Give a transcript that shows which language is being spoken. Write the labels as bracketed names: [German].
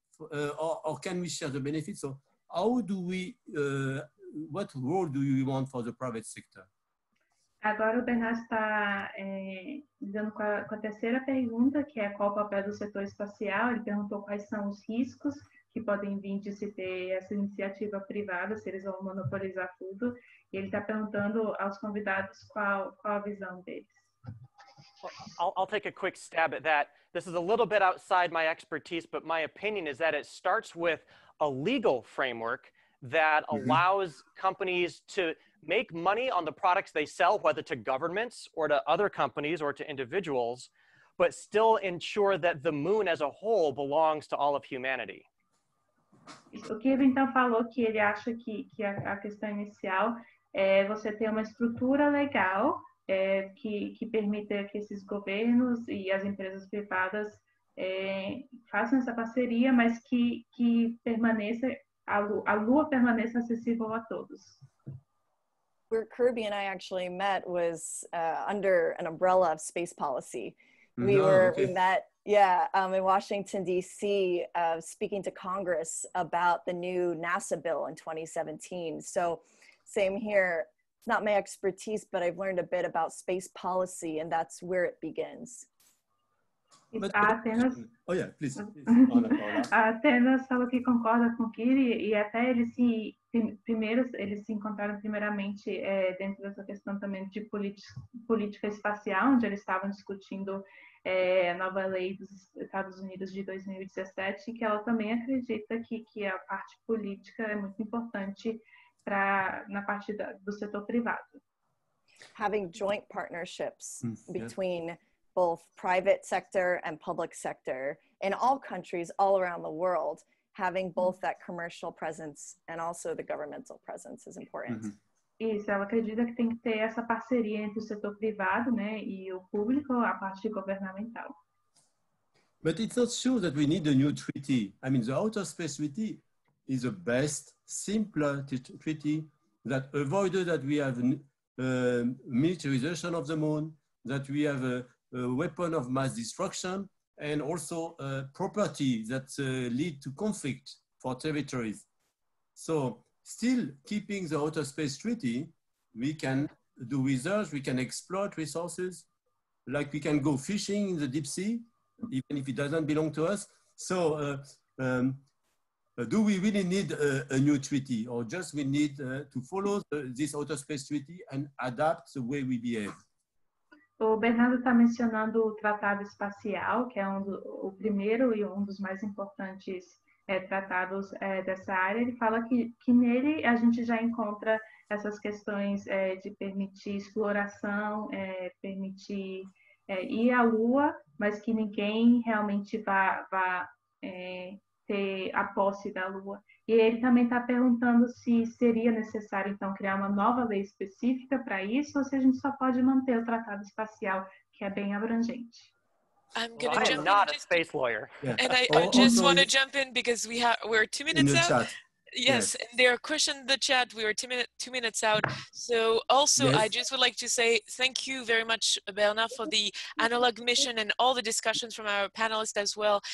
[English] Or can we share the benefits? So, how do we, what role do you want for the private sector? [Portuguese] Agora o Bernardo está lidando com a terceira pergunta, que é qual o papel do setor espacial. Ele perguntou quais são os riscos que podem vir de se ter essa iniciativa privada, se eles vão monopolizar tudo. E ele está perguntando aos convidados qual a visão deles. [English] I'll take a quick stab at that. This is a little bit outside my expertise, but my opinion is that it starts with a legal framework that allows companies to make money on the products they sell, whether to governments or to other companies or to individuals, but still ensure that the moon as a whole belongs to all of humanity. [Portuguese] O Kevin então falou que ele acha que a questão inicial é você ter uma estrutura legal que permita que esses governos e as empresas privadas façam essa parceria, mas que permaneça, a lua permaneça acessível a todos. [English] Where Kirby and I actually met was under an umbrella of space policy. We met in Washington, D.C., speaking to Congress about the new NASA bill in 2017. So same here, it's not my expertise, but I've learned a bit about space policy, and that's where it begins. [Portuguese] Athena falou que concorda com o Kiri e até eles se encontraram primeiramente dentro dessa questão também de política espacial, onde eles estavam discutindo a nova lei dos Estados Unidos de 2017, que ela também acredita que a parte política é muito importante na parte do setor privado. [English] Having joint partnerships between both private sector and public sector in all countries all around the world, having both that commercial presence and also the governmental presence is important. Mm-hmm. [Portuguese] Isso, ela acredita que tem que ter essa parceria entre o setor privado, né, e o público, a parte governamental. [English] But it's not sure that we need a new treaty. I mean, the Outer Space Treaty is the best, simpler treaty that avoided that we have militarization of the moon, that we have a weapon of mass destruction, and also a property that lead to conflict for territories. So still keeping the Outer Space Treaty, we can do research, we can exploit resources, like we can go fishing in the deep sea, even if it doesn't belong to us. So do we really need a new treaty, or just we need to follow this Outer Space Treaty and adapt the way we behave? [Portuguese] O Bernardo está mencionando o Tratado Espacial, que é o primeiro e um dos mais importantes tratados dessa área. Ele fala que nele a gente já encontra essas questões de permitir exploração, permitir ir à Lua, mas que ninguém realmente vá ter a posse da Lua. E ele também está perguntando se seria necessário, então, criar uma nova lei específica para isso, ou se a gente só pode manter o Tratado Espacial, que é bem abrangente. [English] I'm gonna well, jump I am not in a space lawyer. Yeah. And I just want to jump in because we're 2 minutes out. Yes, and there are questions in the chat. We are 2 minutes out. So also, yes. I just would like to say thank you very much, Berna, for the analog mission and all the discussions from our panelists as well.